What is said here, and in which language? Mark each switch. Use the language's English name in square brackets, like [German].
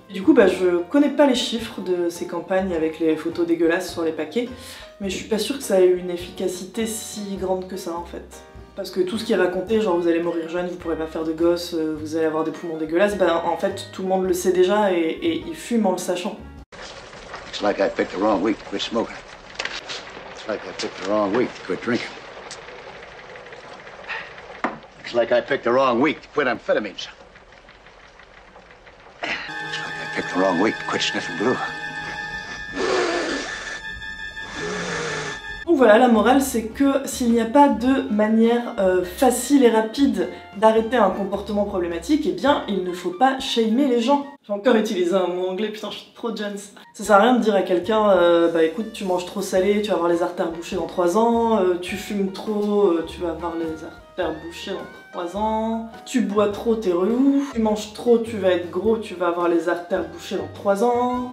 [French] Du coup bah je connais pas les chiffres de ces campagnes avec les photos dégueulasses sur les paquets, mais je suis pas sûre que ça ait une efficacité si grande que ça en fait. Parce que tout ce qui est raconté, genre vous allez mourir jeune, vous pourrez pas faire de gosses, vous allez avoir des poumons dégueulasses, ben en fait tout le monde le sait déjà et il fume en le sachant. [English] It's like I picked the wrong week to quit smoking. It's like I picked the wrong week to quit drinking. It's like I picked the wrong week to quit amphetamines. It's like I picked the wrong week to quit sniffing glue. [French] Donc voilà, la morale c'est que s'il n'y a pas de manière facile et rapide d'arrêter un comportement problématique, eh bien il ne faut pas shamer les gens. J'ai encore utilisé un mot anglais, putain je suis trop Jones. Ça sert à rien de dire à quelqu'un, bah écoute tu manges trop salé, tu vas avoir les artères bouchées dans 3 ans, tu fumes trop, tu vas avoir les artères bouchées dans 3 ans, tu bois trop, t'es relou, tu manges trop, tu vas être gros, tu vas avoir les artères bouchées dans 3 ans.